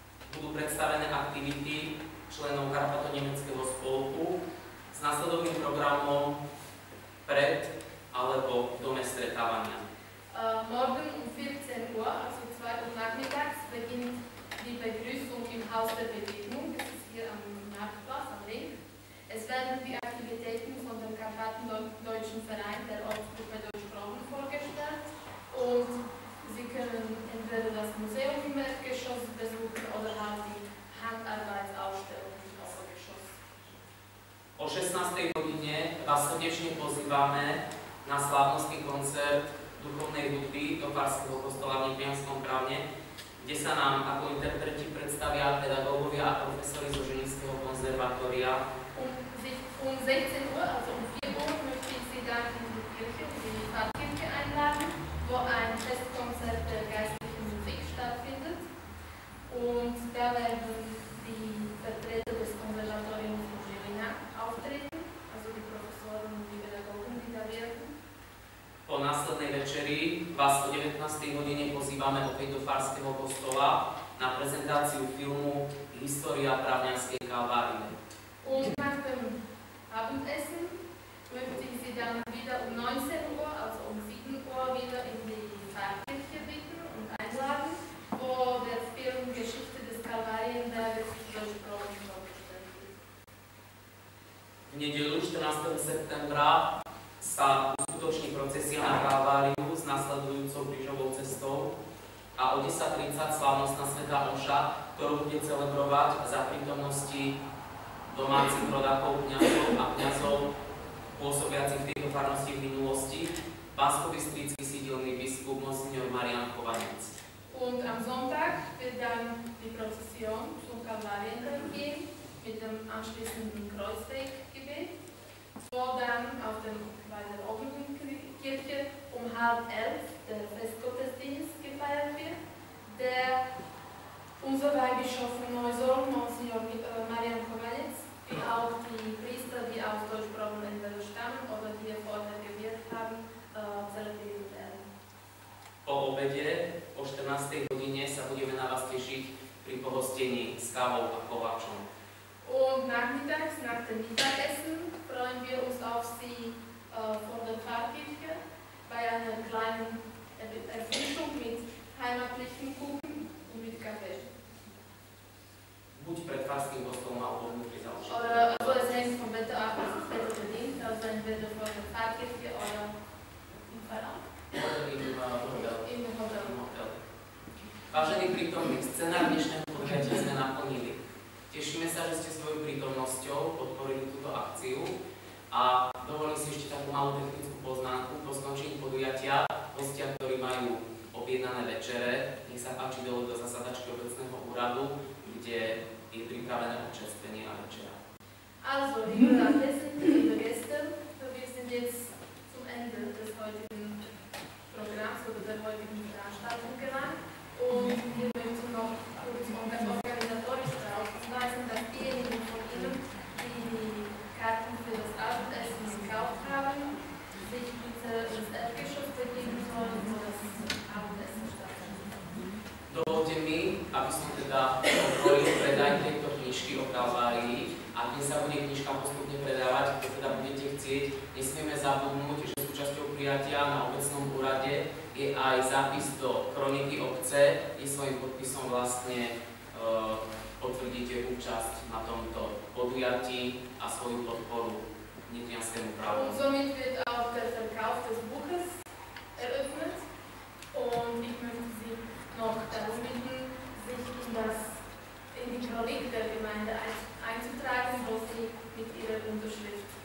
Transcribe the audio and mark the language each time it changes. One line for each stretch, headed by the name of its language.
Slovak: Budú predstavené aktivity členov Karpato-Nemeckého spolku s následovým programom pred alebo v Dome stretávania.
German: Morgen um 14 Uhr, also 2 Uhr nachmittags, beginnt die Begrüßung im Haus der Bewegung, das ist hier am Marktplatz, am Ring. Es werden die Aktivitäten von dem Karpatendeutschen Verein der Ortsgruppe Deutsch Frauen vorgestellt und Sie können entweder das Museum im Erdgeschoss besuchen oder haben die Handarbeitsausstellung im Obergeschoss.
Slovak: O 16. hodine vás srdečne pozývame na slávnostný koncert duchovnej hudby do Farského kostola v Nitrianskom Pravne, kde sa nám ako interpreti predstavia pedagógovia a profesori zo Žilinského konzervatória.
German: Um 16 Uhr, also um 4 Uhr, möchte ich Sie dann in die Kirche, in die Pfarrkirche einladen, wo ein Festkonzert der geistlichen Musik stattfindet. Und da werden die Vertreter des Konservatoriums von Žilina auftreten, also die Professoren und die Pädagogen, die da wirken.
Slovak: Po následnej večeri vás o 19. hodine pozývame opäť do Farského kostola na prezentáciu filmu História Pravňanskej Kalvárie.
German: Und nach dem Abendessen möchte ich Sie dann wieder um 19 Uhr, also um 7 Uhr, wieder in die Pfarrkirche bitten und einladen, wo der Film Geschichte des Kalvarienberges durch Proben vorgestellt wird.
Slovak: Nedeľu 14. septembra sa uskutoční procesia na Kalváriu s nasledujúcou krížovou cestou a o 10.30 slávnostná svätá omša, ktorú bude celebrovať za prítomnosti domácich rodákov, kňazov a kňazov pôsobiacich v tejto farnosti v minulosti, Banskobystrický sídelný biskup Monsignor Marian Chovanec.
German: Und am Sonntag wird dann die Prozession zum Kalvarienberg gehen mit dem anschließenden Kreuzweggebet. Wo dann auf dem, bei der offenen Kirche um 10:30 der Festgottesdienst gefeiert wird, der unser Weihbischof von Neusorg, Monsignor Marian Chovanec, wie auch die Priester, die aus Deutsch-Proben entweder stammen oder die hier vorher gewirkt haben, zelebrieren werden.
Slovak: Po obede, o 14. hodine, sa budeme na vás tešiť pri pohostení s kávou a koláčom.
German: Und nachmittags, nach dem Mittagessen, freuen wir uns auf Sie von der Pfarrkirche bei einer kleinen Erfrischung mit heimatlichen Kuchen und mit Kaffee.
Slovak: Buď pred Farským kostolom alebo vnútri za učinom.
German: Also es hängt vom Wetter ab, was ist das bedingt, also entweder von der Pfarrkirche oder im Pfarramt. Oder im Hotel.
Slovak: Vážení prítomní, scénar dnešného podujatia sme naplnili. Tešíme sa, že ste svojou prítomnosťou podporili túto akciu a dovolím si ešte takú malú technickú poznámku po skončení podujatia. Hostia, ktorí majú objednané večere, nech sa páči dole do zasadačky obecného úradu, kde je pripravené občerstvenie a večera.
German: Also, liebe Gäste, liebe Gäste, wir sind jetzt zum Ende des heutigen Programms oder der heutigen Veranstaltung gelangt. Und wir möchten noch kurz von der organisatorisch darauf hinweisen, dass diejenigen von Ihnen, die die Karten für das Abendessen gekauft haben, sich bitte ins Erdgeschoss begeben sollen, wo das Abendessen stattfindet.
Slovak: Dovolte mi, aby som teda odbrojil predaj tejto knižky o Kalvárii. A dnes sa bude knižka postupne predávať, ako teda budete chcieť. Nesmieme zabudnúť, že súčasťou prijatia na obecnom úrade je aj zápis do kroniky obce, kde svojím podpisom vlastne potvrdíte účasť na tomto podujatí a svoju podporu Nitrianskému pravu.
German: Und somit wird auch der Verkauf des Buches eröffnet und ich möchte Sie noch darum bitten, sich in die Kronik der Gemeinde einzutragen, wo Sie mit Ihrer Unterschrift